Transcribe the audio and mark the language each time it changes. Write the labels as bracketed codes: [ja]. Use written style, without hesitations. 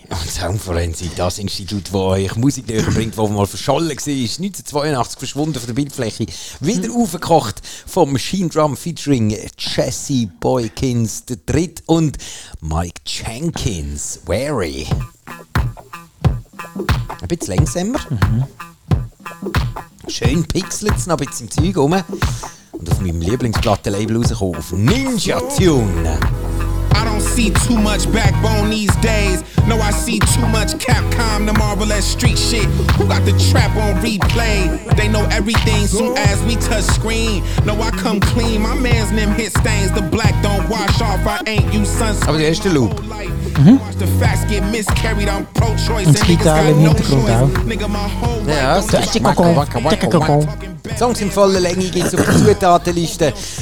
[de] Und Soundforensik, das Institut, das euch Musik näher bringt, das mal verschollen war, 1982 verschwunden von der Bildfläche, wieder aufgekocht vom Machine Drum featuring Jesse Boykins III und Mike Jenkins, Wary. Ein bisschen langsamer. Schön pixelt es noch ein bisschen im Zeug rum. Und auf meinem Lieblingsplattenlabel rausgekommen, auf Ninja Tune. [en] I don't see too much backbone these days. No, I see too much Capcom, the Marvelous Street shit. Who got the trap on replay? They know everything soon as we touch screen. No, I come clean, my man's name hit stains. The black don't wash off, I ain't use sunscreen. [de] Aber der erste Loop. [en] Watch the facts get miscarried, I'm pro-choice. [de] Und die Gitarre im Hintergrund auch. [en] Nigga, my whole life. [de] Songs in voller Länge gibt's auf der Zutatenliste.